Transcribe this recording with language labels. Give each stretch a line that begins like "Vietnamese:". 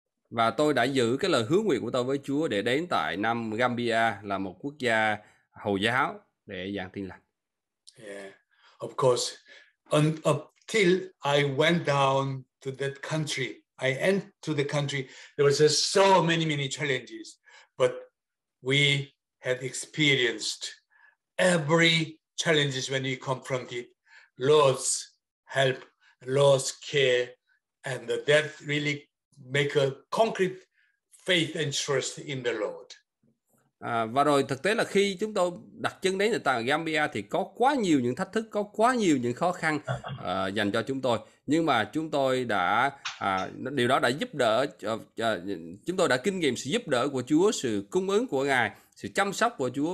Vietnamese: Và tôi đã giữ cái lời hứa nguyện của tôi với Chúa để đến tại năm Gambia, là một quốc gia Hồi giáo, để giảng tin lành.
English: Yeah. Of course, and until I went down to that country, I entered the country, there was just so many, many challenges, but we had experienced every challenges when we confronted Lord's help, Lord's care, and that really make a concrete faith and trust in the Lord.
Vietnamese: Và rồi thực tế là khi chúng tôi đặt chân đến tại Gambia thì có quá nhiều những thách thức, có quá nhiều những khó khăn dành cho chúng tôi. Nhưng mà chúng tôi đã, điều đó đã giúp đỡ, chúng tôi đã kinh nghiệm sự giúp đỡ của Chúa, sự cung ứng của Ngài, sự chăm sóc của Chúa.